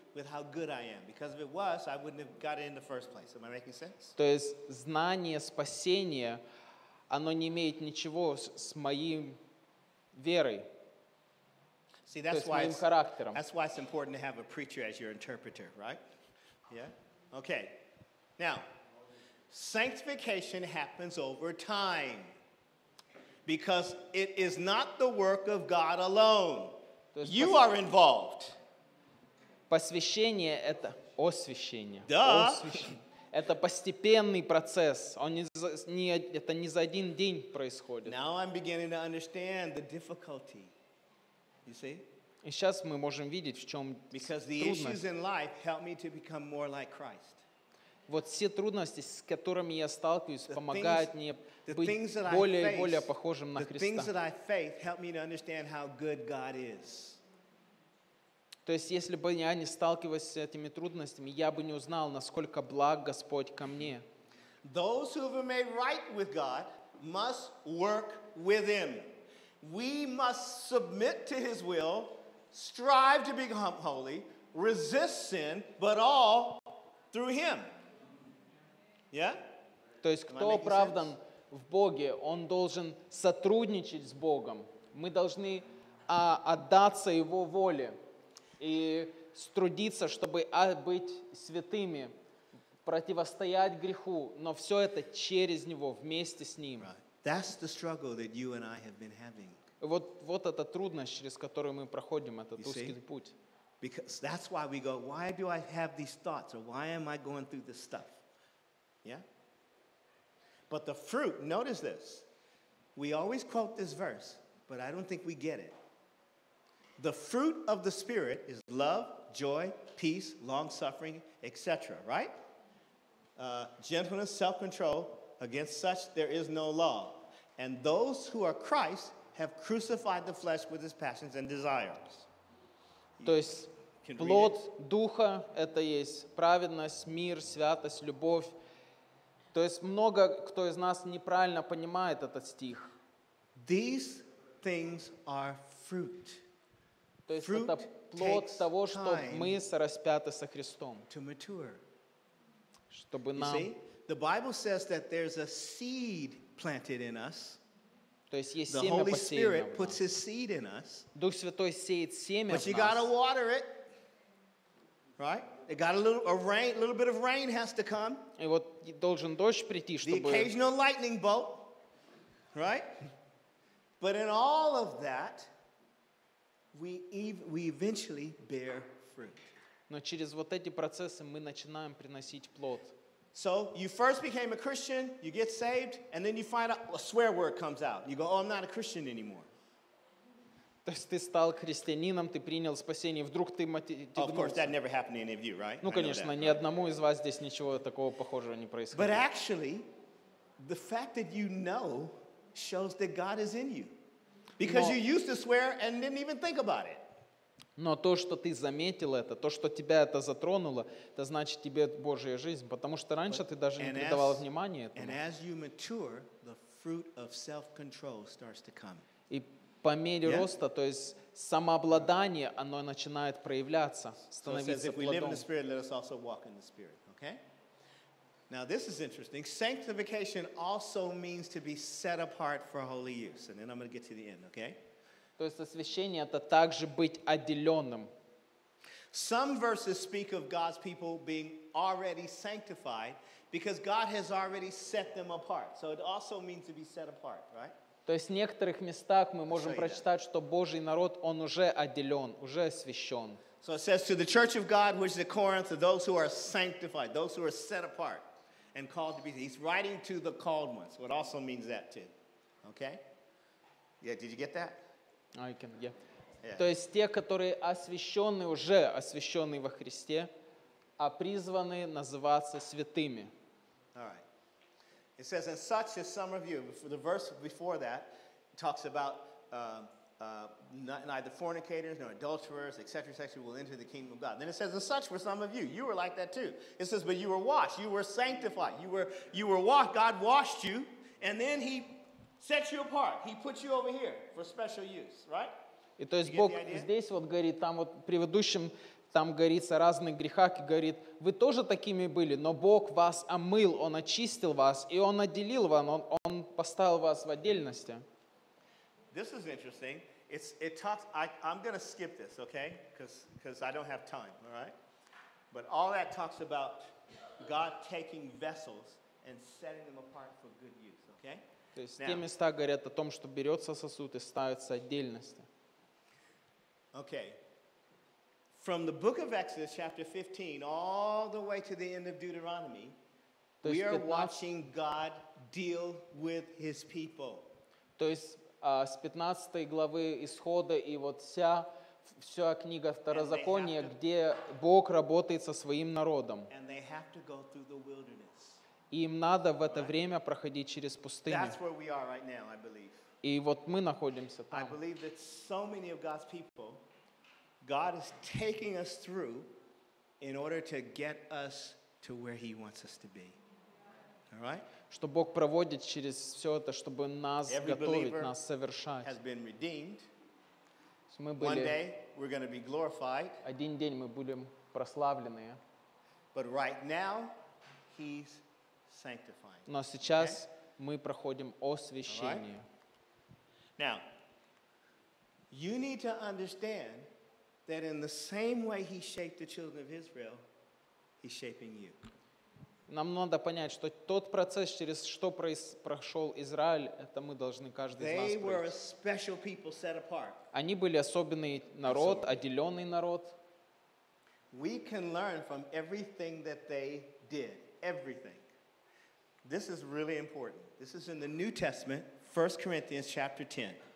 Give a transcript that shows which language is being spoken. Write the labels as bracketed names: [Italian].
[English] With how good I am, because if it was, I wouldn't have got it in the first place. Am I making sense? [Russian] То есть знание спасения, оно не имеет ничего с моим верой. [English] See, that's why it's important to have a preacher as your interpreter, right? Yeah. Okay. Now, sanctification happens over time, because it is not the work of God alone. You are involved. [Russian] Посвящение — это освящение. Это постепенный процесс. Это не за один день происходит. [English] Now I'm beginning to understand the difficulty. You see? [Russian] И сейчас мы можем видеть, в чем трудность. [English] Because the issues in life help me to become more like Christ. [Russian] Вот все трудности, с которыми я сталкиваюсь, помогают мне быть более и более похожим на Христа. [English] The things that I faith help me to understand how good God is. [Russian] То есть, если бы я не сталкивался с этими трудностями, я бы не узнал, насколько благ Господь ко мне. [English] Those who have been made right with God must work with Him. We must submit to His will, strive to become holy, resist sin, but all through Him. Yeah? [Russian] То есть, кто оправдан в Боге, он должен сотрудничать с Богом. Мы должны отдаться Его воле. И трудиться, чтобы быть святыми, противостоять греху, но все это через Него, вместе с Ним. Вот эта трудность, через которую мы проходим, этот узкий путь. [English] Because that's why we go, why do I have these thoughts, or why am I going through this stuff? Yeah? But the fruit, notice this, we always quote this verse, but I don't think we get it. The fruit of the Spirit is love, joy, peace, long-suffering, etc., right? Gentleness, self-control, against such there is no law. And those who are Christ have crucified the flesh with his passions and desires. [Russian] То есть, плод Духа — это есть праведность, мир, святость, любовь. То есть, много кто из нас неправильно понимает этот стих. [English] These things are fruit. [Russian] То есть это плод того, что мы сораспяты со Христом. Чтобы нам... [English] You see, the Bible says that there's a seed planted in us. [Russian] То есть есть семя посеянное в нас. [English] The Holy Spirit puts his seed in us. [Russian] Дух Святой сеет семя в нас. [English] But you gotta water it. Right? It got a little bit of rain has to come. [Russian] И вот должен дождь прийти, чтобы... [English] The occasional lightning bolt. right? But in all of that, we eventually bear fruit. [Russian] Но через вот эти процессы мы начинаем приносить плод. [English] So you first became a Christian, you get saved, and then you find out a swear word comes out. You go, oh, I'm not a Christian anymore. [Russian] То есть ты стал христианином, ты принял спасение, вдруг ты [English] Of course, that never happened to any of you, right? [Russian] Ну, конечно, ни одному из вас здесь ничего такого похожего не происходило. [English] But actually, the fact that you know shows that God is in you. Because you used to swear and didn't even think about it. [Russian] Но то, что ты заметил это, то, что тебя это затронуло, это значит тебе Божья жизнь, потому что раньше ты даже не придавал внимания этому. [English] And as you mature, the fruit of self-control starts to come. [Russian] И по мере роста, то есть самообладание, оно начинает проявляться, становиться плодом. [English] So it says, if we live in the Spirit, let us also walk in the Spirit. Okay? Now this is interesting. Sanctification also means to be set apart for holy use. And then I'm going to get to the end, okay? [Russian] То есть освящение — это также быть отделенным. [English] Some verses speak of God's people being already sanctified because God has already set them apart. So it also means to be set apart, right? [Russian] То есть в некоторых местах мы можем прочитать, что Божий народ, он уже отделен, уже освящен. [English] So it says to the church of God, which is at Corinth, to those who are sanctified, those who are set apart and called to be. He's writing to the called ones. So it also means that too. Okay? Yeah, did you get that? I can, yeah. [Russian] То есть те, которые освящены, уже освящены во Христе, а призваны называться святыми. [English] All right. It says, and such as some of you, the verse before that talks about neither fornicators nor adulterers, etc., etc., will enter the kingdom of God. Then it says, and such were some of you. You were like that too. It says, but you were washed. You were sanctified. You were washed. God washed you, and then he set you apart. He put you over here for special use, right? [Russian] И то есть Бог здесь вот говорит, там вот предыдущим, там говорится о разных грехах, и говорит, вы тоже такими были, но Бог вас омыл, Он очистил вас, и Он отделил вас, Он поставил вас в отдельности. [English] This is interesting. I'm going to skip this, okay? Because I don't have time, all right? But all that talks about God taking vessels and setting them apart for good use, okay? [Russian] То есть те места говорят о том, что берется сосуд и ставится в отдельности. [English] Okay. From the book of Exodus, chapter 15, all the way to the end of Deuteronomy, we are watching God deal with his people. [Russian] То есть с 15 главы Исхода и вот вся книга Второзакония, где Бог работает со своим народом. [English] And they have to go through the wilderness. [Russian] Им надо в это время проходить через пустыню. [English] That's where we are right now, I believe. [Russian] И вот мы находимся там. [English] I believe that so many of God's people, God is taking us through in order to get us to where he wants us to be. All right? [Russian] Что Бог проводит через все это, чтобы нас готовить, нас совершать. [English] Every believer has been redeemed. [Russian] Мы были. [English] One day, we're going to be glorified. [Russian] Один день мы будем прославлены. [English] But right now, he's sanctifying. [Russian] Но сейчас мы проходим освящение. [English] Now, you need to understand that in the same way he shaped the children of Israel, he's shaping you. [Russian] Нам надо понять, что тот процесс, через что прошел Израиль, это мы должны каждый из нас пройти. [English] They were a special people set apart. [Russian] Они были особенный народ, отделенный народ. [English] We can learn from everything that they did. Everything. This is really important. This is in the New Testament, 1 Corinthians chapter 10.